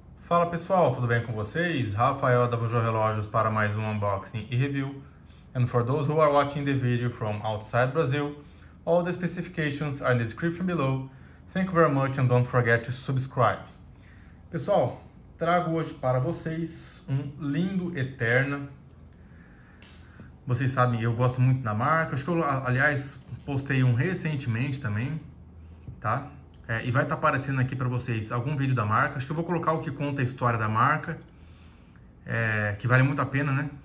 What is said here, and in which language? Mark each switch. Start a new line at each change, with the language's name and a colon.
Portuguese: Fala pessoal, tudo bem com vocês? Rafael da Vujo Relógios para mais um unboxing e review.
English: And for those who are watching the video from outside Brazil, all the specifications are in the description below. Thank you very much and don't forget to subscribe.
Portuguese: Pessoal, trago hoje para vocês um lindo Eterna. Vocês sabem, eu gosto muito da marca. Acho que eu, aliás, postei um recentemente também, tá? É, e vai estar aparecendo aqui para vocês algum vídeo da marca. Acho que eu vou colocar o que conta a história da marca, que vale muito a pena, né?